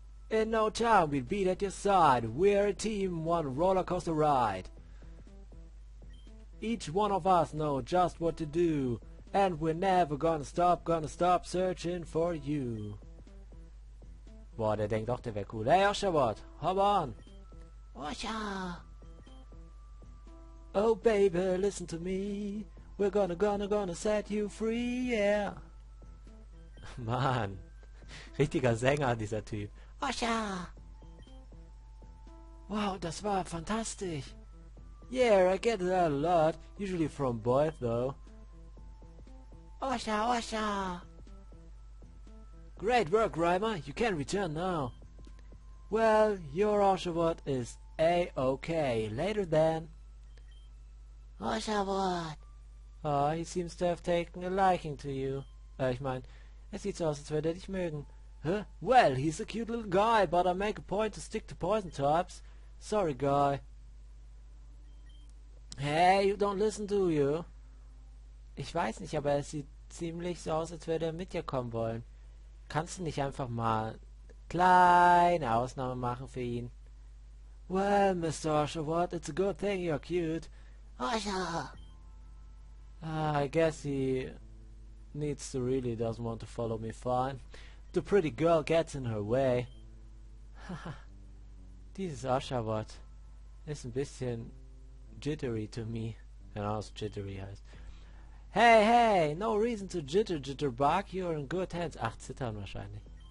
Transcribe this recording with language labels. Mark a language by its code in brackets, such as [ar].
[en] In no time, we'll be at your side. We're a team, one rollercoaster ride. Each one of us know just what to do. And we're never gonna stop searching for you. [de] Boah, der denkt doch, der wäre cool. [en] Hey, Oshawott, hop on. Osha. Oh, baby, listen to me. We're gonna set you free, yeah. [de] Mann, richtiger Sänger, dieser Typ. Osha! Wow, das war fantastisch. [en] Yeah, I get that a lot. Usually from boys, though. Osha, Osha! Great work, Grimer. You can return now. Well, your Oshawott is A-okay. Later then. Oshawott! Oh, he seems to have taken a liking to you. [de] Ich mein... Es sieht so aus, als würde er dich mögen. [en] Huh? Well, he's a cute little guy, but I make a point to stick to poison types. Sorry, guy. Hey, you don't listen, do you? [de] Ich weiß nicht, aber es sieht ziemlich so aus, als würde er mit dir kommen wollen. Kannst du nicht einfach mal kleine Ausnahme machen für ihn? [en] Well, Mr. Oshawott, it's a good thing you're cute. Osha! I guess he... needs to really doesn't want to follow me fine. The pretty girl gets in her way. Haha. [de] Dieses Oshawott ist ein bisschen [en] jittery to me. [de] Wenn alles jittery heißt. [en] Hey, hey, no reason to jitter, jitterbug. You're in good hands. [de] Ach, zittern wahrscheinlich.